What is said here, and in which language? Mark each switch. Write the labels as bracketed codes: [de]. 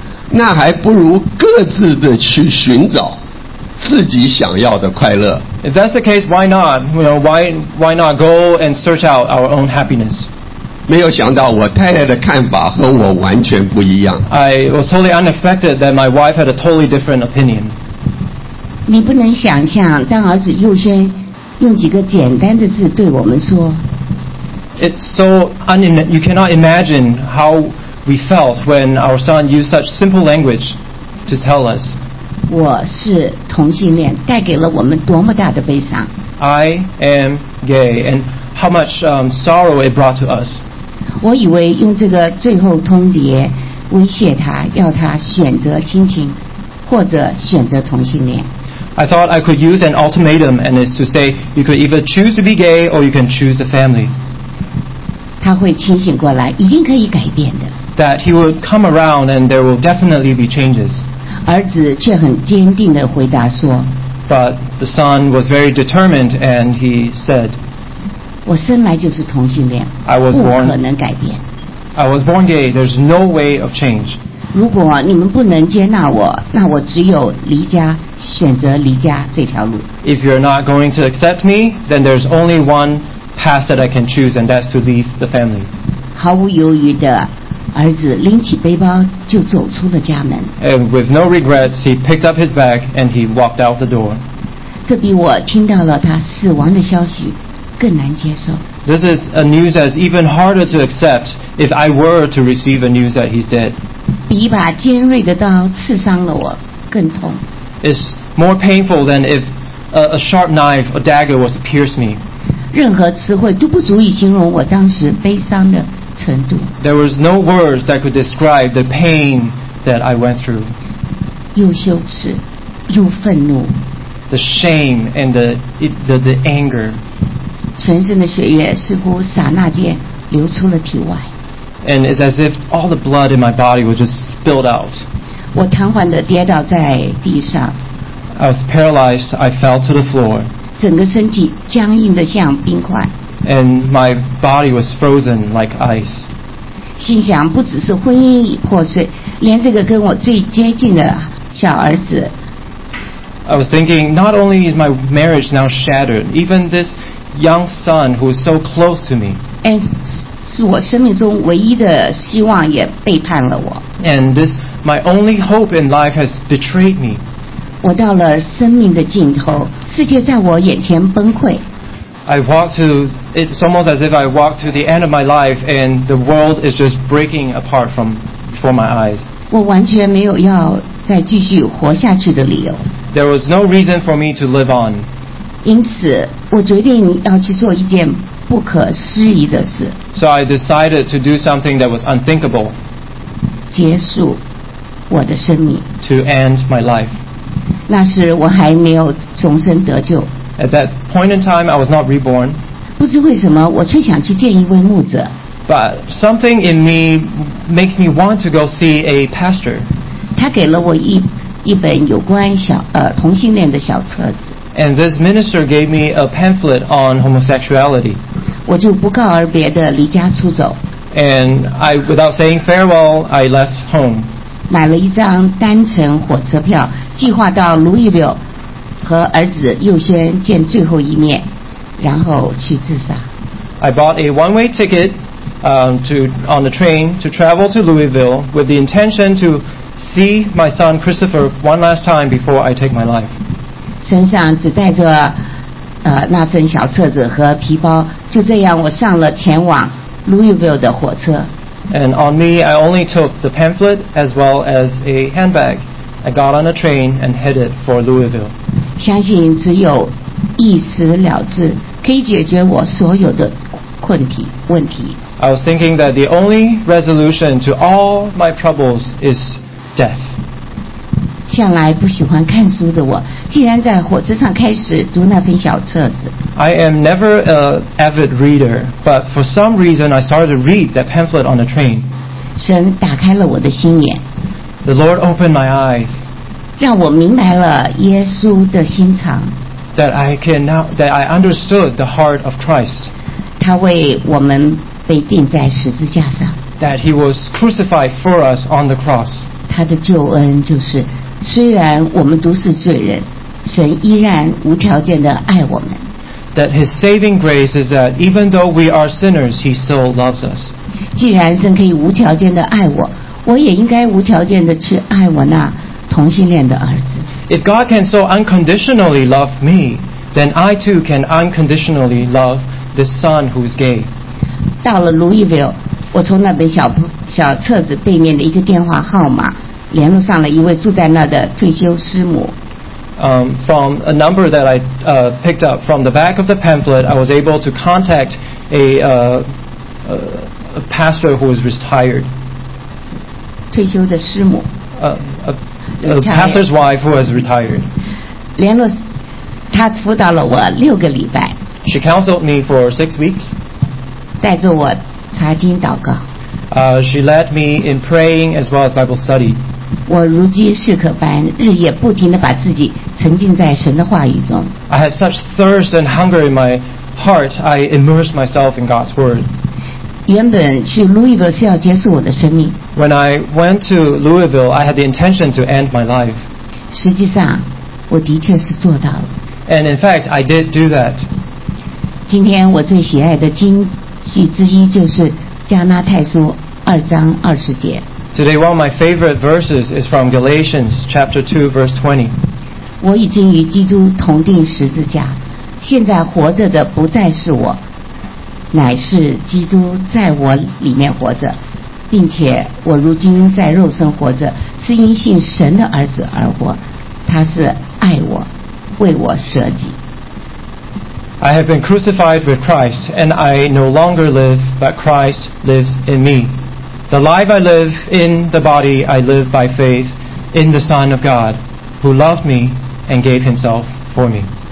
[zh] 那还不如各自的去寻找自己想要的快乐。 [en] If that's the case, why not? You know, why not go and search out our own happiness? [zh] 没有想到我太太的看法和我完全不一样。 [en] I was totally unexpected that my wife had a totally different opinion. [zh] 你不能想象当儿子佑轩用几个简单的字对我们说。 [en] It's so you cannot imagine how we felt when our son used such simple language to tell us. [zh] 我是同性恋，带给了我们多么大的悲伤。 [en] I am gay, and how much sorrow it brought to us. [zh] 我以为用这个最后通牒威胁他，要他选择亲情，或者选择同性恋。 [en] I thought I could use an ultimatum, and it's to say you could either choose to be gay or you can choose a family. [zh] 他会清醒过来，一定可以改变的。 [en] That he would come around, and there will definitely be changes. [zh] 儿子却很坚定地回答说 [en] But the son was very determined and he said [zh] 我生来就是同性恋 不可能改变 [en] I was born gay, there's no way of change [zh] 如果你们不能接纳我那我只有离家选择离家这条路 [en] If you're not going to accept me then there's only one path that I can choose and that's to leave the family [zh] 毫无犹豫地儿子拎起背包就走出了家门。 [en] And with no regrets, he picked up his bag and he walked out the door. [zh] 这比我听到了他死亡的消息更难接受。 [en] This is a news that's even harder to accept if I were to receive a news that he's dead. [zh] 比一把尖锐的刀刺伤了我更痛。 [en] It's more painful than if a sharp knife, a dagger was to pierce me. [zh] 任何词汇都不足以形容我当时悲伤的。 [en] There was no words that could describe the pain that I went through. [zh] 又羞耻，又愤怒。 [en] The shame and the anger. [zh] 全身的血液似乎刹那间流出了体外。 [en] And it's as if all the blood in my body was just spilled out. [zh] 我瘫痪地跌倒在地上。 [en] I was paralyzed. I fell to the floor. [zh] 整个身体僵硬得像冰块。 [en] And my body was frozen like ice. [zh] 心想不只是婚姻已破碎，连这个跟我最接近的小儿子。 [en] I was thinking, not only is my marriage now shattered, even this young son who is so close to me. And [zh] 是我生命中唯一的希望也背叛了我。 [en] And this my only hope in life has betrayed me. [zh] 我到了生命的尽头，世界在我眼前崩溃。 [en] It's almost as if I walked to the end of my life and the world is just breaking apart from before my eyes. [zh] 我完全没有要再继续活下去的理由。 [en] There was no reason for me to live on. [zh] 因此，我决定要去做一件不可思议的事。 [en] So I decided to do something that was unthinkable. [zh] 结束我的生命。 [en] To end my life. [zh] 那时我还没有重生得救。 [en] At that point in time, I was not reborn. [zh] 不知为什么，我却想去见一位牧者。 [en] But something in me makes me want to go see a pastor. [zh] 他给了我一本有关同性恋的小册子。 [en] And this minister gave me a pamphlet on homosexuality. [zh] 我就不告而别的离家出走。 [en] And I, without saying farewell, I left home. [zh] 买了一张单程火车票，计划到卢易柳。和儿子佑轩见最后一面，然后去自杀。 [en] I bought a one-way ticket, on the train to travel to Louisville with the intention to see my son Christopher one last time before I take my life. [zh] 身上只带着那份小册子和皮包，就这样我上了前往 Louisville 的火车。 [en] And on me, I only took the pamphlet as well as a handbag. I got on a train and headed for Louisville. [zh] 相信只有一死了之可以解决我所有的问题。 [en] I was thinking that the only resolution to all my troubles is death. [zh] 向来不喜欢看书的我竟然在火车上开始读那份小册子。 [en] I am never an avid reader, but for some reason I started to read that pamphlet on the train. [zh] 神打开了我的心眼。 [en] The Lord opened my eyes. [zh] 让我明白了耶稣的心肠。 [en] That I can now, that I understood the heart of Christ. [zh] 他为我们被钉在十字架上。 [en] That he was crucified for us on the cross. [zh] 他的救恩就是，虽然我们独是罪人，神依然无条件地爱我们。 [en] That his saving grace is that even though we are sinners, he still loves us. [zh] 既然神可以无条件地爱我，我也应该无条件地去爱我那同性恋的儿子。 [en] If God can so unconditionally love me, then I too can unconditionally love the son who is gay. [zh] 到了 Louisville, 我从那本 小册子背面的一个电话号码联络上了一位住在那的退休师母。 [en] From a number that I picked up from the back of the pamphlet, I was able to contact a pastor who was retired. [zh] 退休的师母。 [en] A pastor's wife who has retired. [zh] 联络，她辅导了我六个礼拜。 [en] She counseled me for 6 weeks. [zh] 带着我查经祷告。 [en] She led me in praying as well as Bible study. [zh] 我如饥似渴般，日夜不停地把自己沉浸在神的话语中。 [en] I had such thirst and hunger in my heart. I immersed myself in God's word. [zh] 原本去 Louisville 是要结束我的生命。 [en] When I went to Louisville, I had the intention to end my life. [zh] 实际上，我的确是做到了。 [en] And in fact, I did do that. [zh] 今天我最喜爱的经句之一就是加拉太书二章二十节。 [en] Today, one of my favorite verses is from Galatians chapter 2, verse 20. [zh] 我已经与基督同钉十字架，现在活着的不再是我，乃是基督在我里面活着，并且我如今在肉身活着，是因信神的儿子而活，他是爱我，为我舍己。 [en] I have been crucified with Christ, and I no longer live, but Christ lives in me. The life I live in the body, I live by faith in the Son of God, who loved me and gave himself for me.